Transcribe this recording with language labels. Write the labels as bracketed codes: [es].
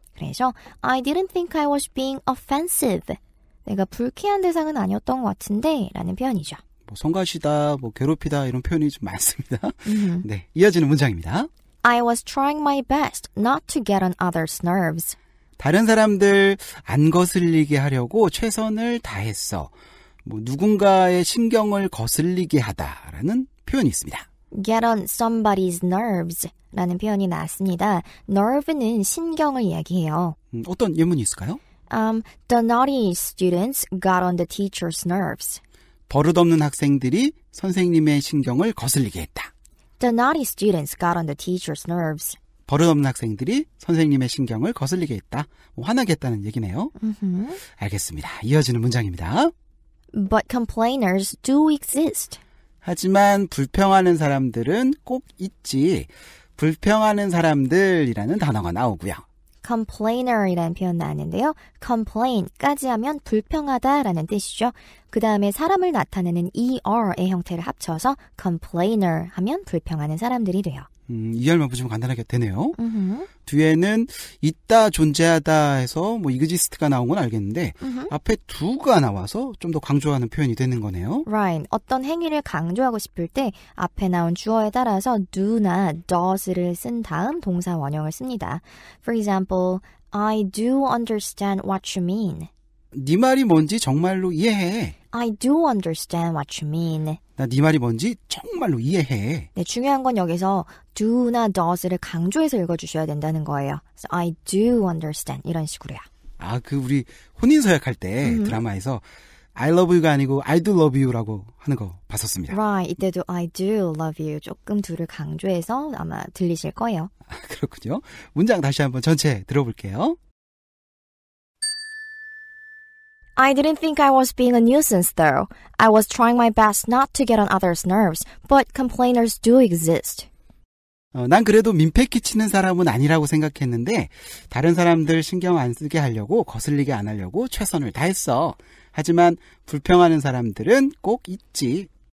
[ko] 그래서 [en] I didn't think I was being offensive. [ko] 내가 불쾌한 대상은 아니었던 것 같은데 라는 표현이죠. 뭐 성가시다, 뭐 괴롭히다 이런 표현이 좀 많습니다. Mm-hmm. 네, 이어지는 문장입니다. [en] I was trying my best not to get on others' nerves. [ko] 다른 사람들 안 거슬리게 하려고 최선을 다했어. 뭐 누군가의 신경을 거슬리게 하다라는 표현이 있습니다. [en] Get on somebody's nerves라는 [ko] 표현이 나왔습니다. Nerve는 신경을 이야기해요. 어떤 예문이 있을까요? [en] The naughty students got on the teacher's nerves. [ko] 버릇없는 학생들이 선생님의 신경을 거슬리게 했다. [en] The naughty students got on the teacher's nerves. [ko] 버릇없는 학생들이 선생님의 신경을 거슬리게 했다. 뭐 화나게 했다는 얘기네요. Mm-hmm. 알겠습니다. 이어지는 문장입니다. [en] But complainers do exist. [ko] 하지만 불평하는 사람들은 꼭 있지. 불평하는 사람들이라는 단어가 나오고요. Complainer이라는 표현 나왔는데요. Complain까지 하면 불평하다라는 뜻이죠. 그 다음에 사람을 나타내는 ER의 형태를 합쳐서 Complainer 하면 불평하는 사람들이 돼요. 이해만 보시면 간단하게 되네요. 뒤에는 있다 존재하다 해서 뭐 exist가 나온 건 알겠는데 앞에 두가 나와서 좀 더 강조하는 표현이 되는 거네요. [en] Right. [ko] 어떤 행위를 강조하고 싶을 때 앞에 나온 주어에 따라서 do나 does를 쓴 다음 동사 원형을 씁니다. [en] For example, I do understand what you mean. [ko] 네 말이 뭔지 정말로 이해해. [en] I do understand what you mean. [ko] 나 네 말이 뭔지 정말로 이해해. 네, 중요한 건 여기서 do나 does를 강조해서 읽어주셔야 된다는 거예요. [en] So I do understand [ko] 이런 식으로요. 아, 그 우리 혼인서약할 때 드라마에서 [en] I love you [ko] 가 아니고 [en] I do love you [ko] 라고 하는 거 봤었습니다. [en] Right, [ko] 이때도 [en] I do love you [ko] 조금 둘을 강조해서 아마 들리실 거예요. 아, 그렇군요. 문장 다시 한번 전체 들어볼게요. [en] I didn't think I was being a nuisance, though. I was trying my best not to get on others' nerves, but complainers do exist. [ko] 난 그래도 민폐 끼치는 사람은 아니라고 생각했는데 다른 사람들 신경 안 쓰게 하려고 거슬리게 안 하려고 최선을 다했어. 하지만 불평하는 사람들은 꼭 있지.